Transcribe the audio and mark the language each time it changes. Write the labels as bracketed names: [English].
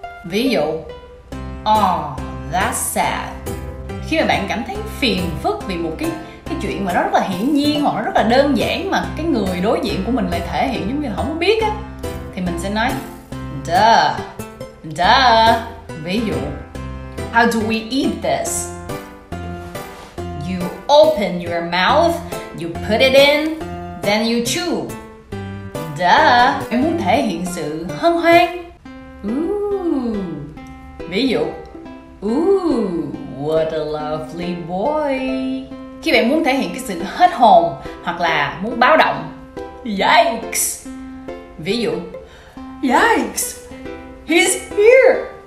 [Vietnamese] Ví dụ [English] oh, that's sad. [Vietnamese] Khi mà bạn cảm thấy phiền phức vì một cái chuyện mà nó rất là hiển nhiên hoặc nó rất là đơn giản mà cái người đối diện của mình lại thể hiện giống như là không biết á, thì mình sẽ nói Duh. Ví dụ [English] how do we eat this? You open your mouth, you put it in, then you chew. Duh. [Vietnamese] Em muốn thể hiện sự hân hoan. Ooh. Ví dụ [English] ooh, what a lovely boy. [Vietnamese] Khi bạn muốn thể hiện cái sự hết hồn hoặc là muốn báo động. [English] Yikes. [Vietnamese] Ví dụ [English] yikes, he's here.